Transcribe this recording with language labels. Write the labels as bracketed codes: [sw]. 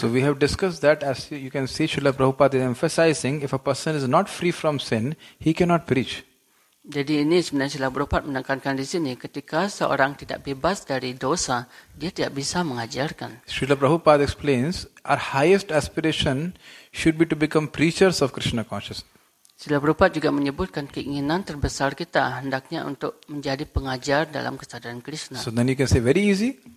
[en] So we have discussed that, as you can see, Srila Prabhupada is emphasizing if a person is not free from sin, he cannot preach. [id] Jadi ini sebenarnya Srila Prabhupada menekankan di sini, ketika seorang tidak bebas dari dosa, dia tidak bisa mengajarkan. [en] Srila Prabhupada explains, our highest aspiration should be to become preachers of Krishna consciousness. [id] Srila Prabhupada juga menyebutkan keinginan terbesar kita hendaknya untuk menjadi pengajar dalam kesadaran Krishna. [en] So then you can say very easy.